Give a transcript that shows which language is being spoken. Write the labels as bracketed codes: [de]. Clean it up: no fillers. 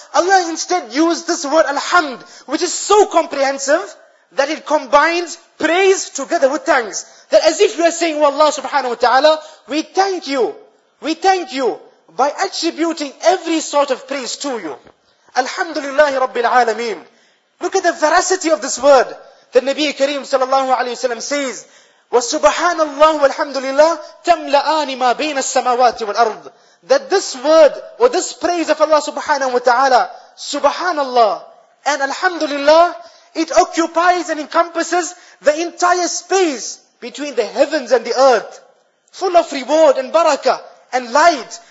[en] Allah instead used this word alhamd, which is so comprehensive that it combines praise together with thanks. That as if we are saying, well, Allah subhanahu wa ta'ala, we thank you by attributing every sort of praise to you. Alhamdulillahi rabbil alameen. Look at the veracity of this word. The Nabi Kareem sallallahu alayhi wa sallam says, [ar] وَسُبْحَانَ اللَّهُ وَالْحَمْدُ لِلَّهِ تَمْلَآنِ مَا بَيْنَ السَّمَوَاتِ وَالْأَرْضِ. [en] That this word or this praise of Allah subhanahu wa ta'ala, subhanallah and alhamdulillah, it occupies and encompasses the entire space between the heavens and the earth, full of reward and barakah and light.